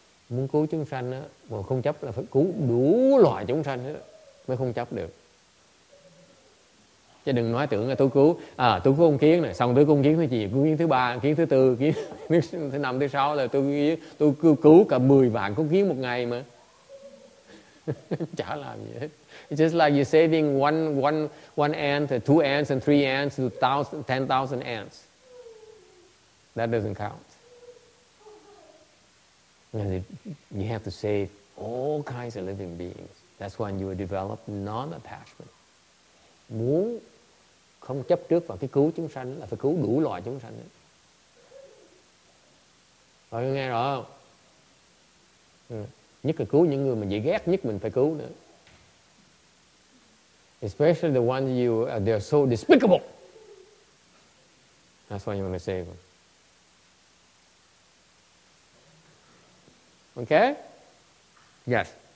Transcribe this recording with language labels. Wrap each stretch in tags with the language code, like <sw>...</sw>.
<vi>Muốn cứu chúng sanh á mà không chấp là phải cứu đủ loại chúng sanh đó, mới không chấp được. Chứ đừng nói tưởng là tôi cứu con kiến này, xong tôi cứu con kiến thứ gì, kiến thứ ba, kiến thứ tư, kiến thứ năm, thứ sáu là tôi cứu cả 10 vạn con kiến một ngày mà. Chả làm gì hết.</vi> <en>It's just like you're saving one ant, two ants, and three ants, to 10,000 ants. That doesn't count. You have to save all kinds of living beings. That's when you develop non-attachment.</en> <vi>Muốn không chấp trước vào cái cứu chúng sanh là phải cứu đủ loài chúng sanh. Mọi người nghe rõ không? Nhất là cứu những người mình dễ ghét nhất mình phải cứu nữa.</vi> <en>Especially the ones you they are so despicable. That's why you want to save them. Okay? Yes.</en>